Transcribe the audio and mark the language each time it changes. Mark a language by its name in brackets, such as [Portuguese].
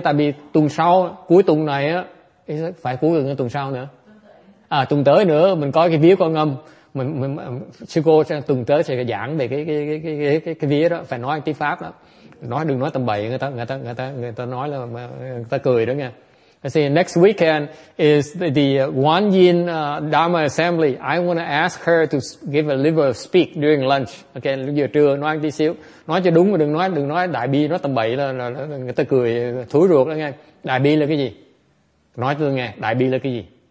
[Vietnamese] Tại vì tuần sau, cuối tuần này, phải cuối gần tuần sau nữa. À, tuần tới nữa, mình coi cái vía con ngâm. Sư cô tuần tới sẽ giảng về cái vía đó, phải nói tiếng Pháp đó, nói đừng nói tầm bậy, người ta nói là người ta cười đó nha. [English] I say next weekend is the Wan Yin Dharma Assembly. I want to ask her to give a little speak during lunch. [Vietnamese] Okay, lúc giờ trưa nói tí xíu, nói cho đúng, đừng nói đại bi, nói tầm bậy là người ta cười thúi ruột đó nghe. Đại bi là cái gì? Nói cho tôi nghe, đại bi là cái gì?